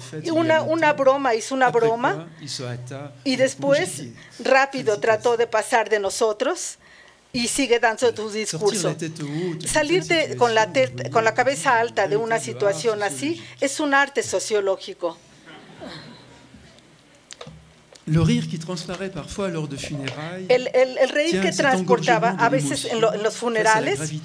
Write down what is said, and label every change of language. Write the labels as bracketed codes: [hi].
[es] Una broma, hizo una broma y después rápido trató de pasar de nosotros. Y sigue dando su discurso. Salir con la cabeza alta de una situación así es un arte sociológico. [fr] Le rire qui transparaît parfois lors de funérailles. [es] El reír que transportaba a veces en los funerales